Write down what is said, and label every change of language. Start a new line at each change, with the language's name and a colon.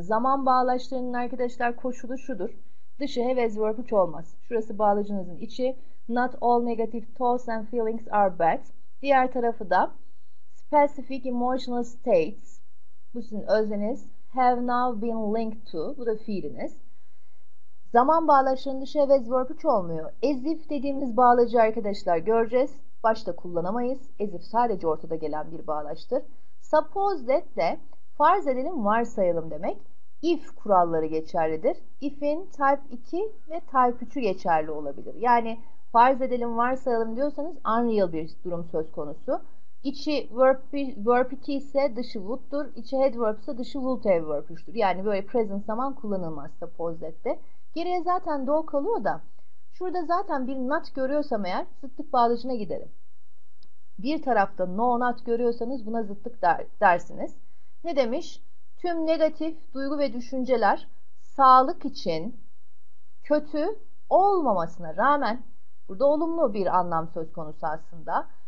Turkish: Zaman bağlaçlarının arkadaşlar koşulu şudur. Dışı have as verb olmaz. Şurası bağlacınızın içi.
English: Not all negative thoughts and feelings are bad.
Turkish: Diğer tarafı da
English: specific emotional states.
Turkish: Bu sizin özneniz.
English: Have now been linked to.
Turkish: Bu da fiiliniz. Zaman bağlaçlarının dışı have as verb olmuyor. As if dediğimiz bağlacı arkadaşlar göreceğiz. Başta kullanamayız. As if sadece ortada gelen bir bağlaçtır. Suppose that de farz edelim varsayalım demek. If kuralları geçerlidir. If'in type 2 ve type 3'ü geçerli olabilir. Yani farz edelim varsayalım diyorsanız unreal bir durum söz konusu. İçi verb 2 ise dışı would'dur. İçi had verb ise dışı would have verb 3'tür. Yani böyle present zaman kullanılmaz suppose that'te. Geriye zaten do kalıyor da. Şurada zaten bir not görüyorsam eğer zıtlık bağlacına giderim. Bir tarafta no not görüyorsanız buna zıtlık dersiniz. Ne demiş? Tüm negatif duygu ve düşünceler sağlık için kötü olmamasına rağmen burada olumlu bir anlam söz konusu aslında.